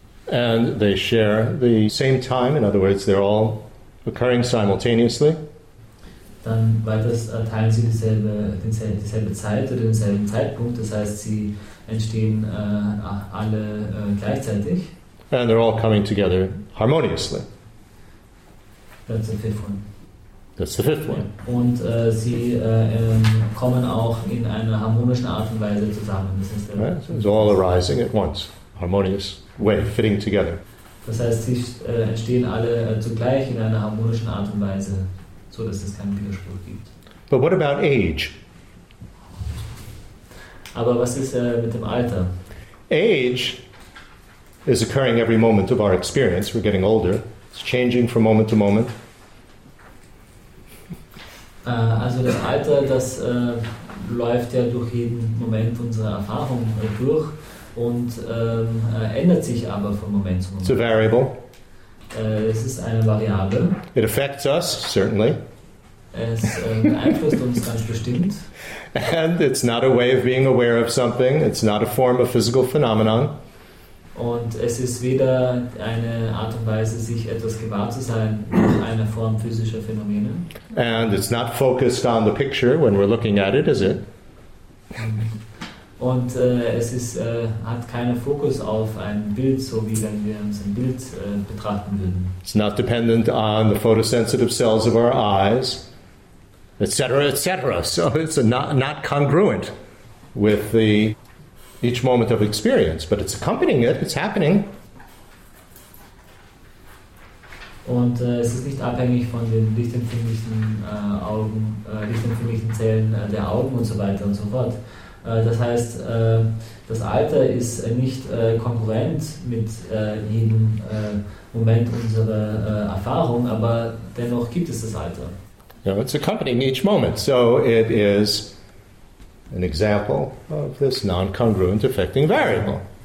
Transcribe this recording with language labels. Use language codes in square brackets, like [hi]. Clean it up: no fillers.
[en] And they share the same time, in other words, they're all occurring simultaneously. [de] Dann weiters teilen sie dieselbe Zeit oder denselben Zeitpunkt, das heißt, sie entstehen alle gleichzeitig. [en] And they're all coming together harmoniously. That's the fifth one. That's the fifth one. [de] Und sie kommen auch in einer harmonischen Art und Weise zusammen. Das ist [en] right? So it's all arising at once, harmonious way, fitting together. [de] Das heißt, sie entstehen alle zugleich in einer harmonischen Art und Weise. So dass es keinen Widerspruch gibt. [en] But what about age? [de] Aber was ist mit dem Alter? [en] Age is occurring every moment of our experience. We're getting older. It's changing from moment to moment. [de] Also das Alter, das läuft ja durch jeden Moment unserer Erfahrung durch und ändert sich aber von Moment zu Moment. [en] It's a variable. [de] Es ist eine Variable. [en] It affects us, certainly. [de] Es beeinflusst uns ganz bestimmt. [en] And it's not a way of being aware of something. It's not a form of physical phenomenon. [de] Und es ist weder eine Art und Weise, sich etwas gewahr zu sein, noch eine Form physischer Phänomene. [en] And it's not focused on the picture when we're looking at it, is it? [de] Und es ist, hat keinen Fokus auf ein Bild, so wie wenn wir uns ein Bild betrachten würden. [en] It's not dependent on the photosensitive cells of our eyes. Etc. Etc. So it's not congruent with the each moment of experience, but it's accompanying it. It's happening. [de] Und es ist nicht abhängig von den lichtempfindlichen Augen, lichtempfindlichen Zellen der Augen und so weiter und so fort. Das heißt, das Alter ist nicht konkurrent mit jedem Moment unserer Erfahrung, aber dennoch gibt es das Alter. [en] You know, it's accompanying each moment, so it is an example of this non-congruent affecting variable.